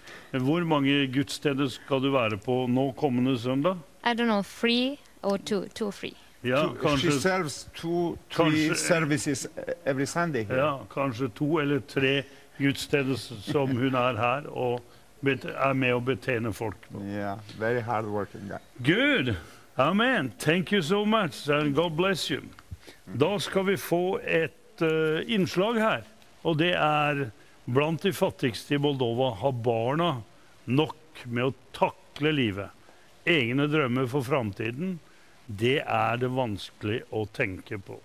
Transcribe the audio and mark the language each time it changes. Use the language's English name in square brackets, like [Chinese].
[Swedish] Hur många gudstjänster ska du vara på nu kommande söndag? [English] I don't know, 3 or 2 or 3. [Swedish] Ja, [English] she serves 2-3 services every Sunday here. [Swedish] Ja, kanske 2 eller 3. Gudstjänst som hon är här och är med och betjänar folk. [English] Yeah, very hard working guy. Good. Amen. Thank you so much and God bless you. [Swedish] Då ska vi få ett inslag här och det är bland de fattigaste i Moldova har barna nog med att tackla livet. Egna drömmar för framtiden, det är det vanskligt att tänka på.